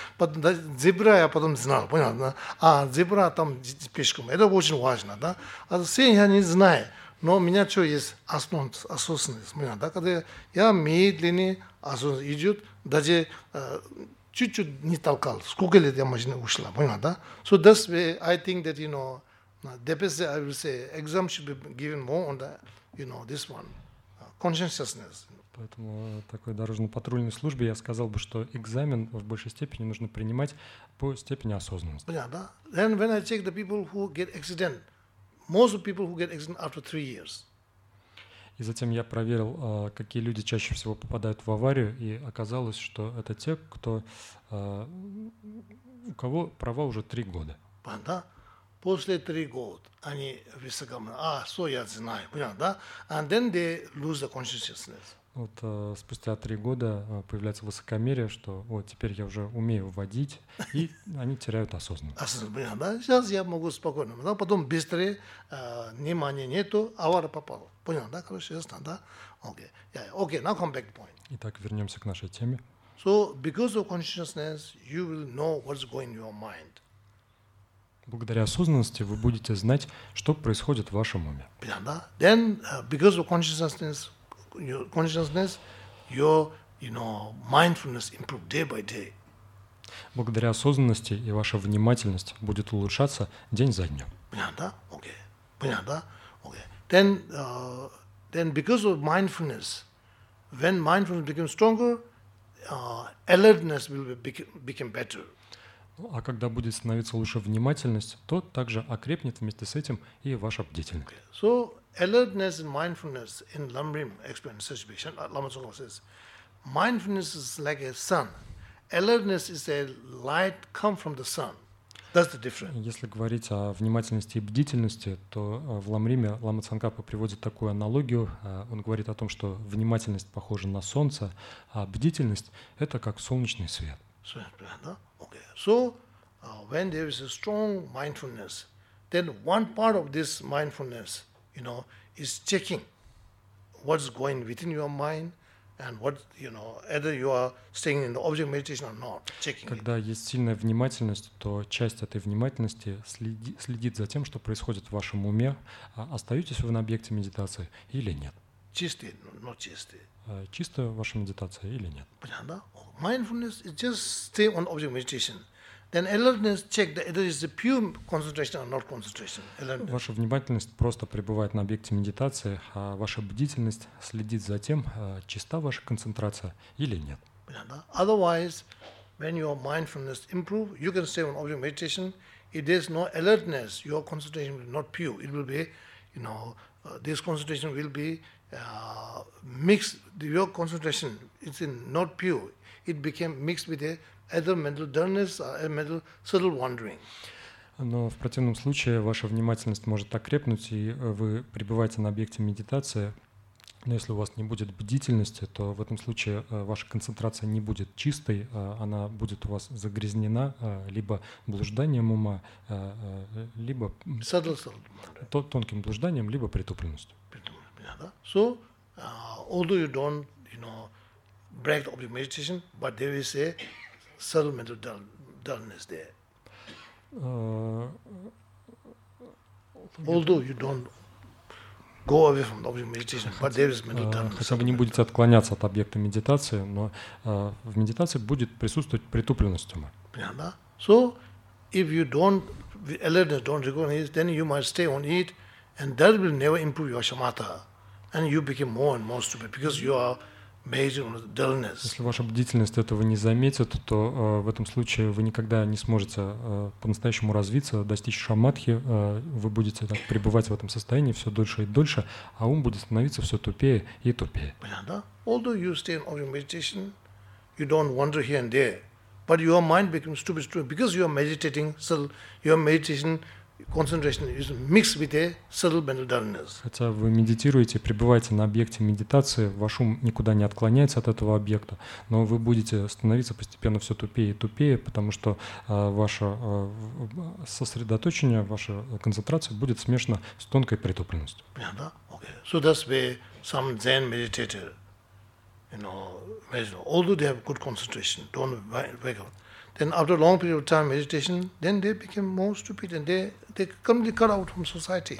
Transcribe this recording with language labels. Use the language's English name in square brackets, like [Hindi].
[Russian] Потом, да, зебра я потом знал, понятно, да? А зебра там пешком, это очень важно, да? А все я не знаю, но у меня что есть осознанность, понятно, да? Когда я медленнее, осознанность идет, даже... Чуть-чуть не толкал. Сколько лет я машина ушла, понимаешь, да? [English] So that's why I think that, you know, DPS, I will say, exam should be given more on the, you know, this one, consciousness. [Russian] Поэтому такой дорожно-патрульной службе я сказал бы, что экзамен в большей степени нужно принимать по степени осознанности. Понятно, да? [English] Then when I check the people who get accident, Most of people who get accident after 3 years. [Russian] И затем я проверил, какие люди чаще всего попадают в аварию, и оказалось, что это те, кто, у кого права уже 3 года. Да? После 3 года они высокомерны. А, что я знаю, понятно, да? [English] And then they lose the consciousness. [Russian] Вот спустя 3 года появляется высокомерие, что вот теперь я уже умею водить, и они теряют осознанность. Осознанность, да? Сейчас я могу спокойно. Да? Потом быстрее, внимания нету, авария попала. Понял, да? Короче, ясно, да? Окей, [English] okay. Yeah, okay, now come back to point. [Russian] Итак, вернемся к нашей теме. [English] So, because of consciousness, you will know what's going in your mind. [Russian] Благодаря осознанности вы будете знать, что происходит в вашем уме. Понял, да? [English] Then, because of consciousness, your mindfulness improves day by day. [Russian] Благодаря осознанности и ваша внимательность будет улучшаться день за днем. Понял, да? Окей. Понял, да? Окей. [English] Then, then because of mindfulness, when mindfulness becomes stronger, alertness will become better. [Russian] А когда будет становиться лучше внимательность, то также окрепнет вместе с этим и ваша бдительность. [English] Okay. So, alertness and mindfulness in Lamrim explains such vision. Lama Tsongkhapa says, mindfulness is like a sun. Alertness is a light come from the sun. That's the difference. [Russian] Если говорить о внимательности и бдительности, то в Ламриме Лама Цанкапа приводит такую аналогию. Он говорит о том, что внимательность похожа на солнце, а бдительность — это как солнечный свет. [English] Okay. So, when there is a strong mindfulness, then one part of this mindfulness, you know, is checking what's going within your mind and what, you know, either you are staying in the object meditation or not, checking. [Russian] Когда есть сильная внимательность, то часть этой внимательности следит за тем, что происходит в вашем уме. Остаетесь вы на объекте медитации или нет? Чистый, но чистый. Чисто ваша медитация или нет? Понятно, да? [English] Mindfulness is just stay on object meditation. Then alertness check that it is a pure concentration or not concentration. Alertness. [Russian] Ваша внимательность просто пребывает на объекте медитации, а ваша бдительность следит за тем, чиста ваша концентрация или нет. Понятно, да? [English] Otherwise, when your mindfulness improve, you can stay on object meditation. If there is no alertness, your concentration will not pure. It will be, you know, this concentration will be mixed. Your concentration is in not pure. It became mixed with either mental dullness or a mental subtle wandering. [Russian] Но в противном случае ваша внимательность может окрепнуть, и вы пребываете на объекте медитации. Но если у вас не будет бдительности, то в этом случае ваша концентрация не будет чистой, она будет у вас загрязнена либо блужданием ума, либо тонким блужданием, либо притупленностью. [English] So, although you don't, you know, break the object meditation, but there is a subtle mental dullness there. Although you don't go away from the object meditation, but there is mental dullness. [Russian] Хотя вы не будете отклоняться от объекта медитации, но в медитации будет присутствовать притупленность ума. Понятно? [English] So, if you don't, alertness don't recognize, then you might stay on it, and that will never improve your shamatha. And you become more and more stupid because you are based on dullness. [Russian] Если ваша бдительность этого не заметит, то в этом случае вы никогда не сможете по-настоящему развиться, достичь шамадхи. Вы будете так пребывать в этом состоянии все дольше и дольше, а ум будет становиться все тупее и тупее. Понятно? [English] Although you stay in object meditation, you don't wander here and there, but your mind becomes stupid, stupid because you are meditating. So your meditation concentration is mixed with a subtle mental dullness. [Russian] Хотя вы медитируете, пребываете на объекте медитации, ваш ум никуда не отклоняется от этого объекта, но вы будете становиться постепенно все тупее и тупее, потому что ваше сосредоточение, ваша концентрация будет смешана с тонкой притупленностью. Понятно? Okay. [English] So that's why some Zen meditator, you know, imagine, although they have good concentration, don't wake up. Then after a long period of time meditation, then they became more stupid and they completely cut out from society.